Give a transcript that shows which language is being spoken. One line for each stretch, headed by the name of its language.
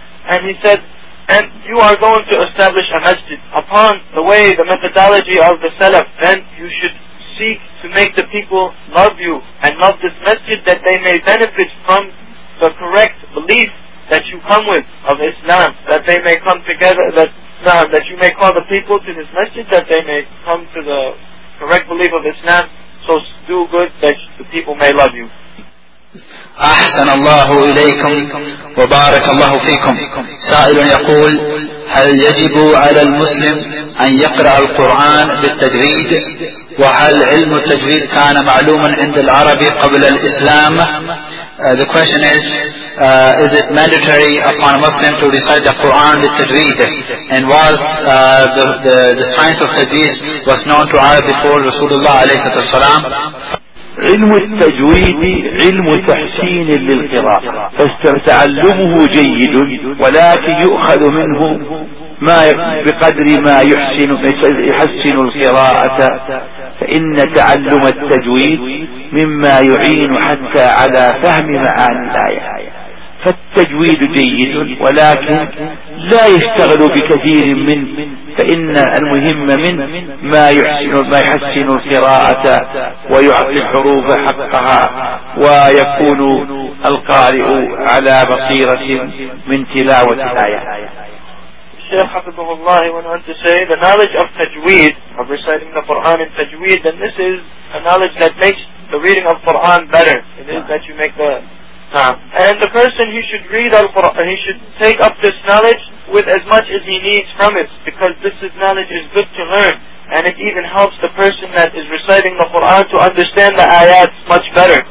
English: And he said, and you are going to establish a masjid upon the way, the methodology of the salaf, then you should seek to make the people love you and love this masjid, that they may benefit from the correct belief that you come with of Islam, that they may come together, that you may call the people to this masjid, that they may come to the correct belief of Islam, so do good that the people may love you.
Arabic: أحسن الله إليكم وبارك الله فيكم. سائل يقول: هل يجب على المسلم أن يقرأ القرآن بالتجويد؟ وهل علم التجويد كان معلوما عند العرب قبل الإسلام؟
English: The question is it mandatory upon a Muslim to recite the Quran with tajweed? And was the science of tajweed was known to Arab before Rasulullah alayhi wasallam?
Arabic: علم التجويد علم تحسين للقراءة، فتعلمه جيد، ولكن يؤخذ منه ما بقدر ما يحسن القراءة، فإن تعلم التجويد مما يعين حتى على فهم معاني الآية. فالتجويد جيد، ولكن لا يشتغل بكثير من فإن المهم من ما يحسن القراءة ويعطي الحروف حقها ويكون القارئ على بصيرة من تلاوة الآية. الشيخ حفظه الله وأن
English: to say the knowledge of تجويد of reciting the Quran in تجويد, and this is a knowledge that makes the reading of Quran better. It is that you make the and the person he should read al Quran, he should take up this knowledge with as much as he needs from it, because this is knowledge is good to learn, and it even helps the person that is reciting the Quran to understand the ayat much better.